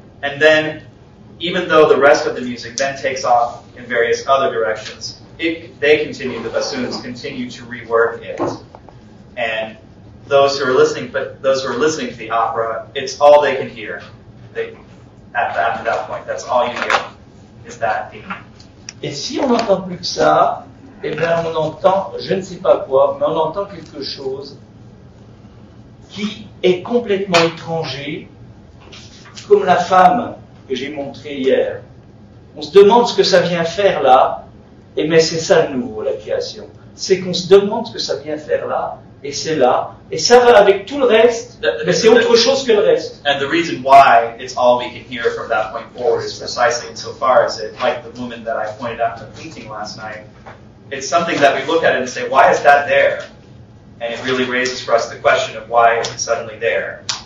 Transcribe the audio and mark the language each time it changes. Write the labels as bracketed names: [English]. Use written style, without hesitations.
[English] And then, even though the rest of the music then takes off in various other directions, the bassoons continue to rework it. And those who are listening to the opera, it's all they can hear. After that point, that's all you hear is that theme. [French] Et si on n'entend plus que ça, eh bien on entend, je ne sais pas quoi, mais on entend quelque chose qui est complètement étranger, comme la femme que j'ai montrée hier. On se demande ce que ça vient faire là, et mais c'est ça de nouveau, la création. C'est qu'on se demande ce que ça vient faire là, et c'est là. Et ça va avec tout le reste, mais c'est autre chose que le reste. [English] And the reason why it's all we can hear from that point forward is precisely in so far as it, like the woman that I pointed out in the painting last night, it's something that we look at and say, why is that there? And it really raises for us the question of why it's suddenly there.